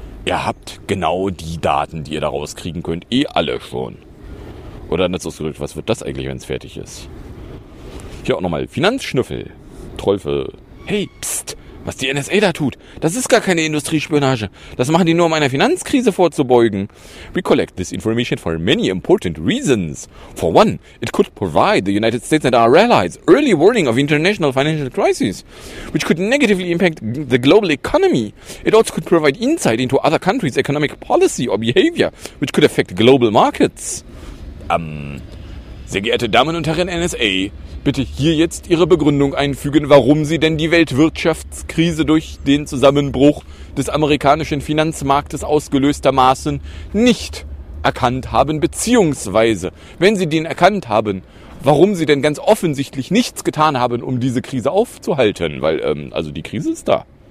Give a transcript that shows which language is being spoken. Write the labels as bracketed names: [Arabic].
[German] Ihr habt genau die Daten, die ihr da rauskriegen könnt, eh alle schon. Oder anders ausgedrückt, was wird das eigentlich, wenn es fertig ist? Hier auch nochmal Finanzschnüffel. Trollfe. Hey, pst, was die NSA da tut, das ist gar keine Industriespionage. Das machen die nur, um einer Finanzkrise vorzubeugen. [English] We collect this information for many important reasons. For one, it could provide the United States and our allies early warning of international financial crises, which could negatively impact the global economy. It also could provide insight into other countries' economic policy or behavior, which could affect global markets. [German] Sehr geehrte Damen und Herren NSA, bitte hier jetzt Ihre Begründung einfügen, warum Sie denn die Weltwirtschaftskrise durch den Zusammenbruch des amerikanischen Finanzmarktes ausgelöstermaßen nicht erkannt haben, beziehungsweise, wenn Sie den erkannt haben, warum Sie denn ganz offensichtlich nichts getan haben, um diese Krise aufzuhalten, weil, also die Krise ist da.